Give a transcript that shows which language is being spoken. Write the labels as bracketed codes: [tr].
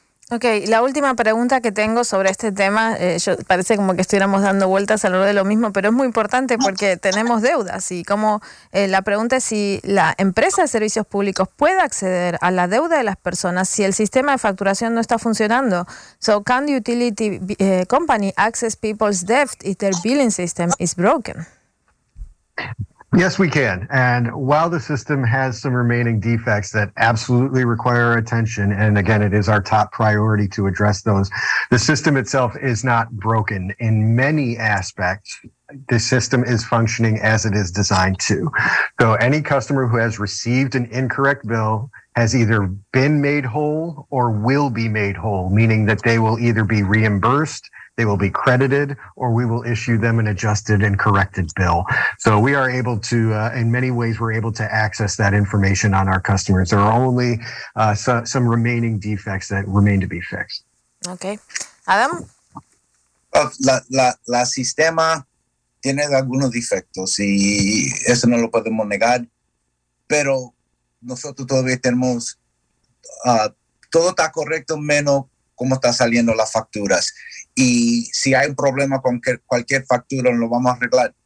[es] Ok, la última pregunta que tengo sobre este tema, yo parece como que estuviéramos dando vueltas a lo de lo mismo, pero es muy importante porque tenemos deudas. Y como la pregunta es si la empresa de servicios públicos puede acceder a la deuda de las personas si el sistema de facturación no está funcionando. [en] So, can the utility company access people's debt if their billing system is broken? Yes, we can. And while the system has some remaining defects that absolutely require attention, and again, it is our top priority to address those, the system itself is not broken in many aspects. The system is functioning as it is designed to. So any customer who has received an incorrect bill has either been made whole or will be made whole, meaning that they will either be reimbursed, they will be credited, or we will issue them an adjusted and corrected bill. So we are able to, in many ways, we're able to access that information on our customers. There are only some remaining defects that remain to be fixed. Okay. Adam? [es] La sistema tiene algunos defectos y eso no lo podemos negar, pero nosotros todavía tenemos, todo está correcto menos cómo están saliendo las facturas. Y si hay un problema con cualquier factura, lo vamos a arreglar.